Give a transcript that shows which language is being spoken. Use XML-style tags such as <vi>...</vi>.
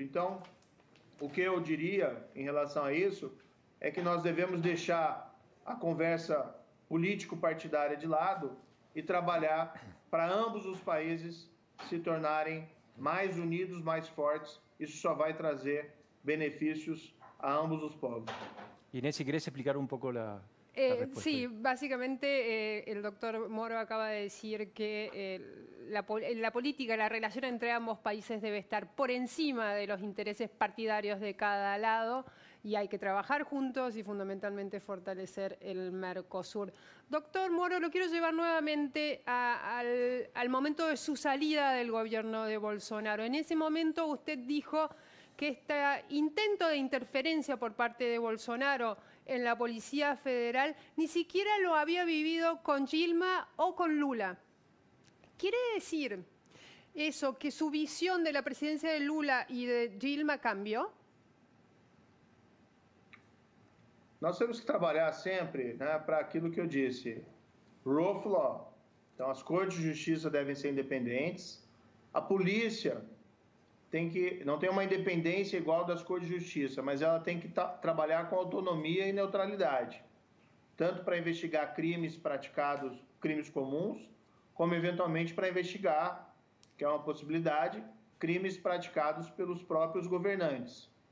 <pt>Então, o que eu diria em relação a isso é que nós devemos deixar a conversa político-partidária de lado e trabalhar para ambos os países se tornarem mais unidos, mais fortes. Isso só vai trazer benefícios a ambos os povos.</pt> <es>Inés, si querés explicar un poco la respuesta. Sí, básicamente el doctor Moro acaba de decir que la política, la relación entre ambos países debe estar por encima de los intereses partidarios de cada lado y hay que trabajar juntos y fundamentalmente fortalecer el Mercosur. Doctor Moro, lo quiero llevar nuevamente al momento de su salida del gobierno de Bolsonaro. En ese momento usted dijo que este intento de interferencia por parte de Bolsonaro en la Policía Federal ni siquiera lo había vivido con Dilma o con Lula. ¿Quiere decir eso, que su visión de la presidencia de Lula y de Dilma cambió?</es> <pt>Nós temos que trabalhar sempre, né, para aquilo que eu disse.</pt> <en>Rule of law.</en> <pt>Então, as cortes de justiça devem ser independentes. A polícia tem que, não tem uma independência igual das cortes de justiça, mas ela tem que trabalhar com autonomia e neutralidade, tanto para investigar crimes praticados, crimes comuns, como eventualmente para investigar, que é uma possibilidade, crimes praticados pelos próprios governantes.</pt>